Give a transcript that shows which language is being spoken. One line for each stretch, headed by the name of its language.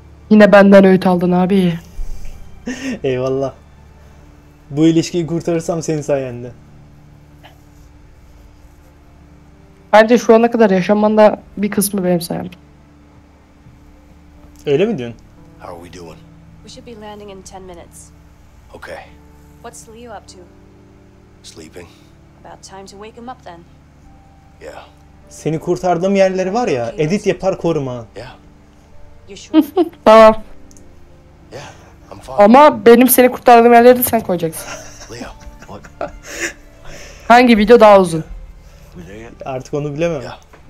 Turkish: Yine benden öğüt aldın abi. Eyvallah. Bu ilişkiyi kurtarırsam senin sayende. Bence şu ana kadar yaşamanın da bir kısmı benim sayemde. Öyle mi diyorsun?
English: How are we doing? We should be landing in 10 minutes. Okay. What's Leo up to? Sleeping. About time to wake him up then. Yeah.
Turkish: Seni kurtardığım yerleri var ya, edit yapar koruma.
English: Yeah.
Turkish: Tamam.
English: Yeah, I'm fine.
Turkish: Ama benim seni kurtardığım yerleri de sen koyacaksın.
English: Leo, look.
Turkish: Hangi video daha uzun? Artık onu bilemem. Yeah.